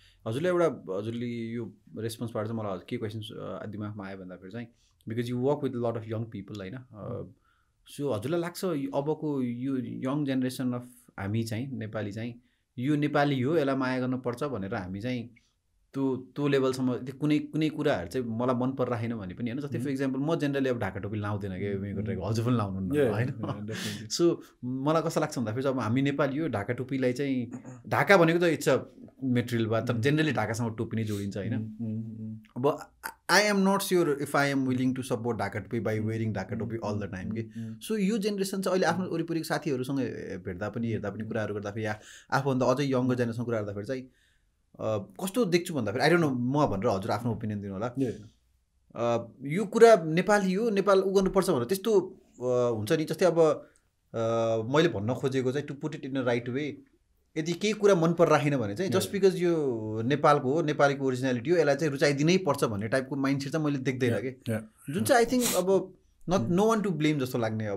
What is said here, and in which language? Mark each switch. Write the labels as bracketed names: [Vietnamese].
[Nepali] हजुरले एउटा हजुरले यो रेस्पोन्सबाट चाहिँ मलाई के क्वेसन दिमागमा आयो भन्दाखेरि चाहिँ, because you work with lot of young people होइन, सो हजुरलाई लाग्छ अबको यो यङ जेनेरेसन अफ हामी चाहिँ नेपाली चाहिँ यो नेपाली हो यसलाई माया गर्नुपर्छ भनेर हामी चाहिँ त्यो लेभलसम्म कुनै कुनै कुराहरू चाहिँ मलाई मन परिराखेन भने पनि होइन, जस्तै फर इक्जाम्पल म जेनरली अब ढाका टोपी लाउँदैन क्या, हजुर पनि लाउनु होइन। सो मलाई कस्तो लाग्छ भन्दाखेरि अब हामी नेपाली हो, ढाका टोपीलाई चाहिँ ढाका भनेको त इट्स अ मेटेरियल भयो तर जेनरली ढाकासँग टोपी नै जोडिन्छ होइन। [English] अब I am not sure if I am willing to support Dhaka topi by wearing Dhaka topi all the time के। [Nepali] सो यो जेनेरेसन चाहिँ अहिले आफ्नो वरिपरिको साथीहरूसँग भेट्दा पनि हेर्दा पनि कुराहरू गर्दाखेरि या आफूभन्दा अझै यङ्गर जेनेरेसन कुरा गर्दाखेरि चाहिँ कस्तो देख्छु भन्दाखेरि आई डोन्ट नो म भनेर हजुर आफ्नो ओपिनियन दिनुहोला, यो कुरा नेपाली हो नेपाल उ गर्नुपर्छ भनेर त्यस्तो हुन्छ नि, जस्तै अब मैले भन्न खोजेको चाहिँ to put it in a right way, यदि केही कुरा मन परिराखेन भने चाहिँ जस्ट बिकज यो नेपालको हो नेपालीको ओरिजिनालिटी हो यसलाई चाहिँ रुचाइदिनै पर्छ भन्ने टाइपको माइन्ड सेट चाहिँ मैले देख्दैन कि, जुन चाहिँ आई थिङ्क अब not no one to blame जस्तो लाग्ने।